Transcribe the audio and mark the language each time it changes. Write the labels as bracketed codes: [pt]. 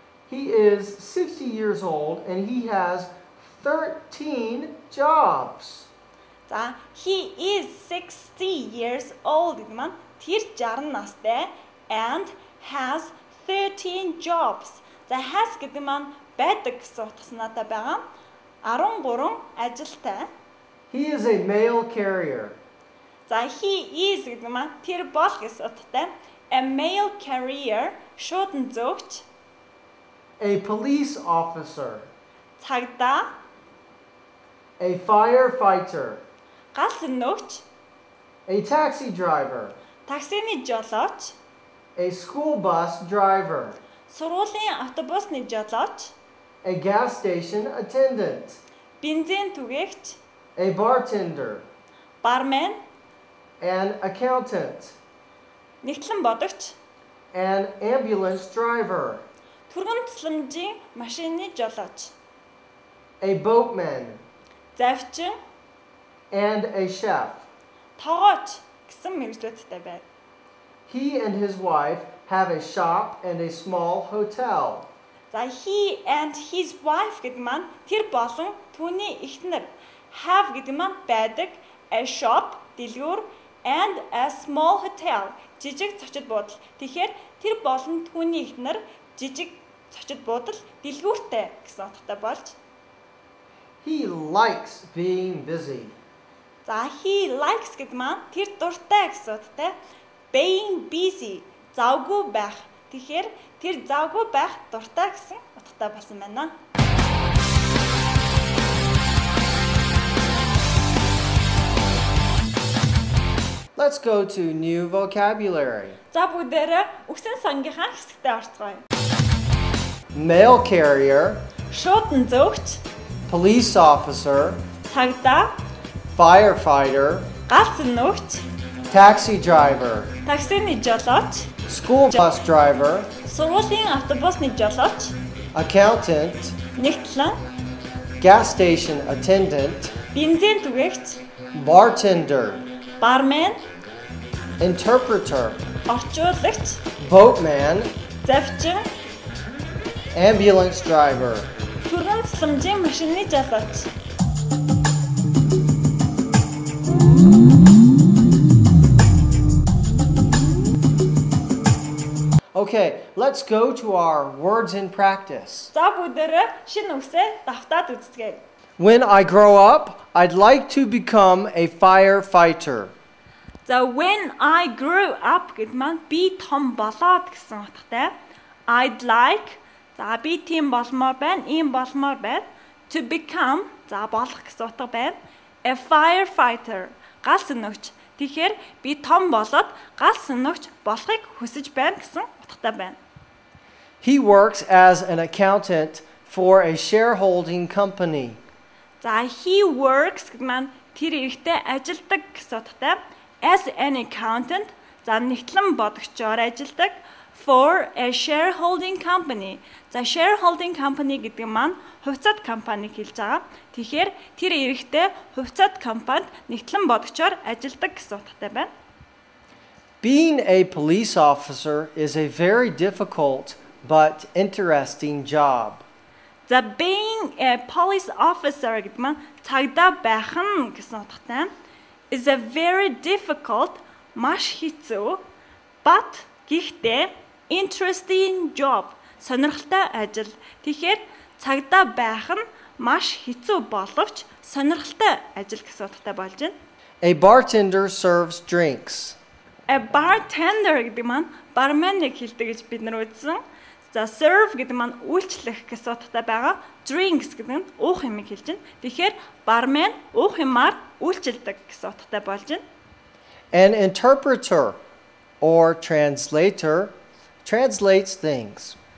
[en] He is 60 years old and he has 13 jobs. За he is 60 years old [mn] гэдэг маань тэр 60 настай [en] and has 13 jobs. [mn] За has гэдэг маань байдаг гэсэн утгатай байгаа. 13 ажилтай. [en] He is a mail carrier. [mn] За [en] he is [mn] гэдэг маань тэр бол гэсэн утгатай. [en] A mail carrier [mn] шууд нь зөвч. [en] A police officer. [mn] Цагда. [en] A firefighter. [mn] Гал нөгч. [en] A taxi driver. [mn] Таксины жолооч. [en] A school bus driver. [mn] Сургуулийн автобусны жолооч. [en] A gas station attendant. [mn] Бензин түгээгч. [en] A bartender. [mn] Бармен. [en] An accountant. [mn] Нэгтлэн бодогч. [en] An ambulance driver. [mn] Түргэмцлэмжийн машины жолооч. [en] A boatman. [mn] Завчин. [en] And a chef. [mn] Тогооч гэсэн мэргэжлүүдтэй байна. [en] He and his wife have a shop and a small hotel. [mn] За [en] he and his wife [mn] гэдэг маань тэр болон түүний эхнэр [en] have [mn] гэдэг маань байдаг [en] a shop [mn] дэлгүүр [en] and a small hotel [mn] жижиг цочид буудал. Тэгэхээр тэр болон түүний эхнэр жижиг цочид буудал дэлгүүртэй гэсэн утгатай болж. [en] He likes being busy. [mn] За [en] he likes [mn] гэдэг маань тэр дуртай гэсэн утгатай. [en] Being busy [mn] завгүй байх. Тэгэхээр тэр завгүй байх дуртай гэсэн утгатай болсон байна. [en] Let's go to new vocabulary. [mn] За бүгдээрээ үгсэн сангийнхаа хэсэгтээ орцгоё. [en] Mail carrier, [mn] шуудэн зөвч, [en] police officer, [mn] цагда, [en] firefighter, [mn] гал нөгч, [en] taxi driver, [mn] таксины жолооч, [en] school bus driver, [mn] сургуулийн автобусны жолооч, [en] accountant, [mn] нэгтлэн, [en] gas station attendant, [mn] бензин түгээгч, [en] bartender, [mn] бармен, [en] interpreter, [mn] орчуулагч, [en] boatman, [mn] завчин, [en] ambulance driver. [mn] Түргэмцлэмжийн машины жолооч. [en] Okay, let's go to our words in practice. [mn] За бүгдээрээ шинэ үгсээ давтаад үздэгээ. [en] When I grow up, I'd like to become a firefighter. [mn] За [en] when I grow up [mn] гэд маань би том болоод гэсэн утгатай. [en] I'd like [mn] за би тийм болмоор байна, ийм болмоор байна. [en] To become [mn] за болох гэсэн утга байна. [en] A firefighter [mn] гал сүнөгч. Тэгэхээр би том болоод гал сүнөгч болохыг хүсэж байна гэсэн утгатай байна. [en] He works as an accountant for a shareholding company. [mn] За [en] he works [mn] гэмээн тэр эрэгтэй ажилладаг гэсэн утгатай. [en] As an accountant [mn] за нэгтлэн бодгчоор ажилладаг. For a shareholding company. За [en] shareholding company [mn] гэдэг маань хувьцаат компаниг хэлж байгаа. Тэгэхээр тэр эрэгтэй хувьцаат компанид нэгтлэн бодгчоор ажилладаг гэсэн утгатай байна. [en] Being a police officer is a very difficult but interesting job. [mn] За [en] being a police officer [mn] гэдэг маань цагда байх нь гэсэн утгатай. [en] Is a very difficult [mn] маш хэцүү [en] but [mn] гэхдээ [en] interesting job [mn] сонирхолтой ажил. Тэгэхээр цагдаа байх нь маш хэцүү боловч сонирхолтой ажил гэсэн утгатай болж байна. [en] A bartender serves drinks. A bartender [mn] гэдэг маань барменыг хэлдэг гэж бид нар үздэн. За serve гэдэг маань үйлчлэх гэсэн утгатай байгаа. [en] Drinks [mn] гэдэг нь уух юм хэлж байна. Тэгэхээр бармен уух юмар үйлчлдэг гэсэн утгатай болж байна. [en] An interpreter or translator translates things.